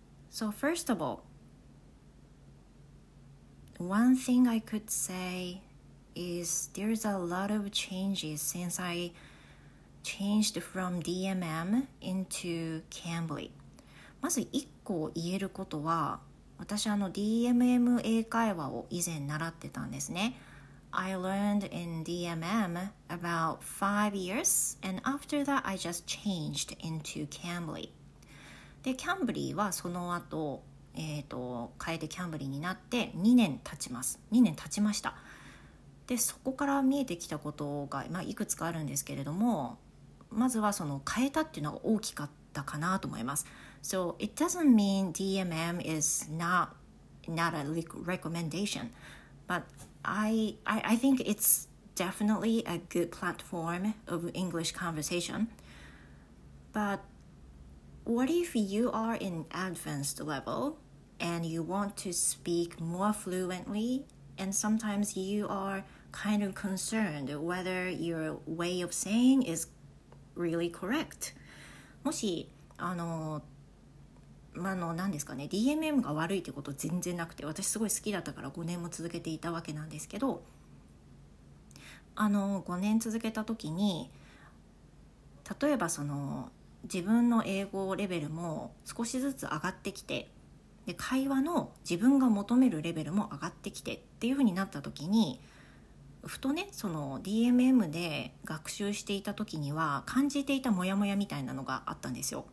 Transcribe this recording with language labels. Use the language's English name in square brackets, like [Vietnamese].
[English] So first of all, one thing I could sayis there's a lot of changes since I changed from DMM into Cambly. [Japanese] まず一個言えることは、私DMM 英会話を以前習ってたんですね。 [English] I learned in DMM about 5 years, and after that I just changed into Cambly. [Japanese] で、Cambly はその後、変えて Cambly になって2年経ちます。2年経ちました。でそこから見えてきたことが、まあ、いくつかあるんですけれども、まずはその変えたっていうのが大きかったかなと思います。 [English] So it doesn't mean DMM is not a recommendation, but I think it's definitely a good platform of English conversation. But what if you are in advanced level and you want to speak more fluently, and sometimes you arekind of concerned whether your way of saying is really correct. [Japanese] もし、何ですかね、DMM が悪いってこと全然なくて、私すごい好きだったから5年も続けていたわけなんですけど、 5年続けた時に、例えばその自分の英語レベルも少しずつ上がってきて、で会話の自分が求めるレベルも上がってきてっていう風になった時に、ふとね、その DMM で学習していた時には感じていたモヤモヤみたいなのがあったんですよ。